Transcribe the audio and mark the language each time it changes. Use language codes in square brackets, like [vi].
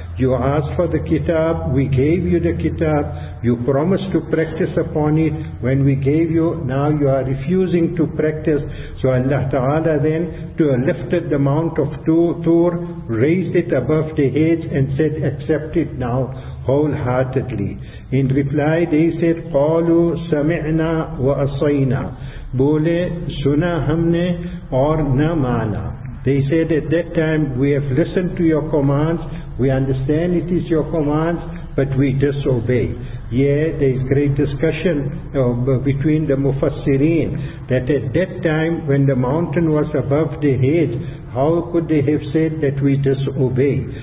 [en] You asked for the kitab, we gave you the kitab, you promised to practice upon it when we gave you, now you are refusing to practice. So Allah Ta'ala then lifted the mount of Tur, raised it above the heads and said, accept it now wholeheartedly. In reply they said, [ar] قَالُوا سَمِعْنَا وَأَصَيْنَا, [ur] بولے سنا ہم نے اور نہ مانا. [en] They said, at that time we have listened to your commands, we understand it is your commands, but we disobey. Yeah, there is great discussion between the Mufassireen that at that time when the mountain was above the head, how could they have said that we disobey?